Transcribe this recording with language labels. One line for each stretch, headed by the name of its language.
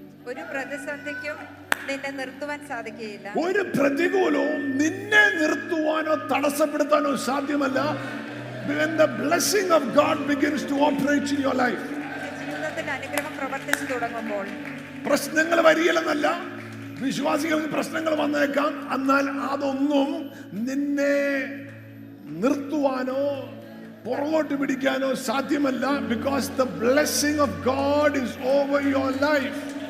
Malayalam: ഒരു പ്രതിസന്ധിക്കും നിന്നെ നിർത്തുവാൻ സാധിക്കില്ല. ഒരു പ്രതികൂലവും നിന്നെ നിർത്തുവാനോ തടസ്സപ്പെടുത്താനോ സാധ്യമല്ല.
English: When the blessing of God begins to operate in your life.
Malayalam: ജീവിതത്തിന്റെ അനുഗ്രഹം പ്രവർത്തിച്ചു തുടങ്ങുമ്പോൾ പ്രശ്നങ്ങൾ വരികയല്ലെന്നല്ല. വിശ്വാസികൾക്ക് പ്രശ്നങ്ങൾ വന്നേക്കാം, എന്നാൽ അതൊന്നും നിന്നെ നിർത്തുവാനോ പുറകോട്ട് പിടിക്കാനോ സാധ്യമല്ല.
English: Because the blessing of God is over your life.